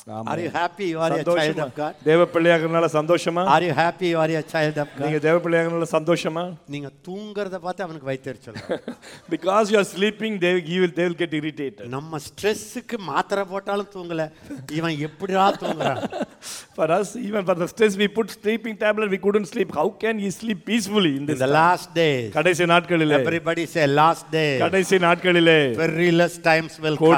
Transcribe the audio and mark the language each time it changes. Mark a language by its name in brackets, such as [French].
[English] Are you happy you are a child of God? [Tamil] தேவ பிள்ளையாகறனால சந்தோஷமா? [English] Are you happy you are a child of God? [Tamil] நீங்க தேவ பிள்ளையாகறனால சந்தோஷமா? நீங்க தூங்கறத பார்த்து அவனுக்கு வைத்தறிச்சல. [English] Because you are sleeping they will get irritated. [Tamil] நம்ம ஸ்ட்ரெஸ்க்கு மாத்திரை போட்டாலும் தூங்கல. இவன் எப்படிடா தூங்குறான்? [English] For us even for the stress we put sleeping tablet we couldn't sleep. How can he sleep peacefully in the last days? [Tamil] கடைசி நாட்களில். [English] Everybody say last days. [Tamil] கடைசி நாட்களில. [English] Perilous times will come.